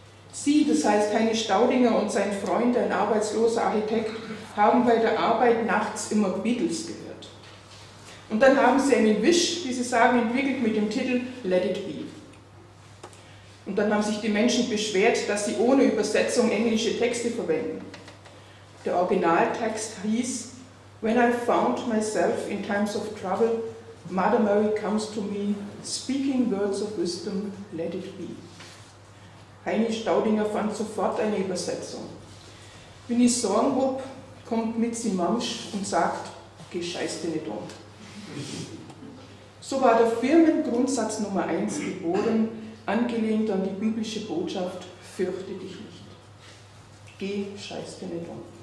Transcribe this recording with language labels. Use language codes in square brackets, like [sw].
[de] Sie, das heißt Heine Staudinger und sein Freund, ein arbeitsloser Architekt, haben bei der Arbeit nachts immer Beatles gehört. Und dann haben sie einen Wisch, wie sie sagen, entwickelt mit dem Titel Let It Be. Und dann haben sich die Menschen beschwert, dass sie ohne Übersetzung englische Texte verwenden. Der Originaltext hieß, [en] When I found myself in times of trouble, Mother Mary comes to me, speaking words of wisdom, let it be. [de] Heine Staudinger fand sofort eine Übersetzung. Wenn ich Sorgen hab, kommt Mitzi Mamsch und sagt, geh scheiß dir nicht um. So war der Firmengrundsatz Nummer 1 geboren, angelehnt an die biblische Botschaft, fürchte dich nicht. Geh scheiß dir nicht um.